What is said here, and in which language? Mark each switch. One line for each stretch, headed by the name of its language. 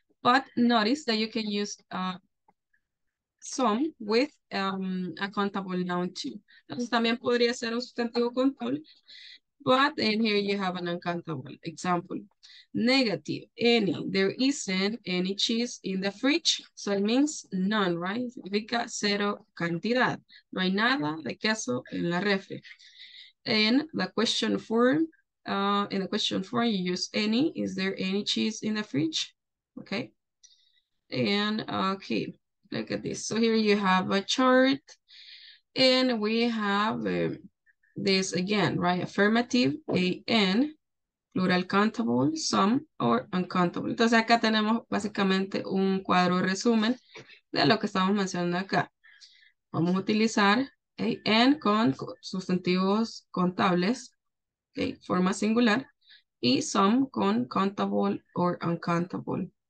English: But notice that you can use some with a countable noun too.
Spanish: Entonces también podría ser un sustantivo countable.
English: But in here you have an uncountable example. Negative, any, there isn't any cheese in the fridge. So it means none, right?
Spanish: Significa cero cantidad. No hay nada de queso en la refri.
English: In the question form, you use any. Is there any cheese in the fridge? Okay. And okay, look at this. So here you have a chart and we have this again, right? Affirmative, an, plural countable, some, or uncountable.
Spanish: Entonces acá tenemos básicamente un cuadro resumen de lo que estamos mencionando acá. Vamos a utilizar an con sustantivos contables, okay, forma singular, y some con
English: countable or uncountable.